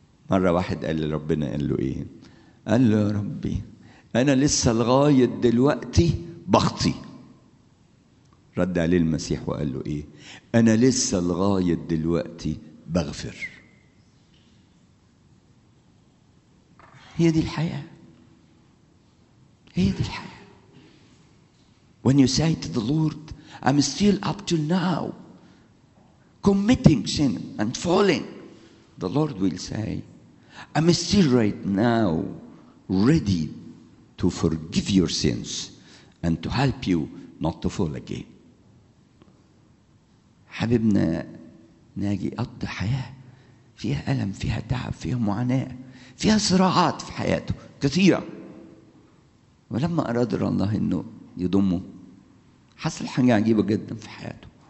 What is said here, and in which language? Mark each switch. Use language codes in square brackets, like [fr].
[ar] مرة واحد قال لربنا، قال له ايه؟ قال له يا ربي انا لسه لغاية دلوقتي بخطي. رد عليه المسيح وقال له ايه؟ انا لسه لغاية دلوقتي بغفر. هي دي الحياة، هي دي الحياة. [en] When you say to the Lord, I'm still up till now committing sin and falling, the Lord will say, I'm still right now ready to forgive your sins and to help you not to fall again. [ar] حبيبنا ناجي قضى حياة فيها ألم، فيها تعب، فيها معاناة، فيها صراعات في حياته كثيرة، ولما أراد الله أنه يضمه حصل حاجة عجيبة جدا في حياته.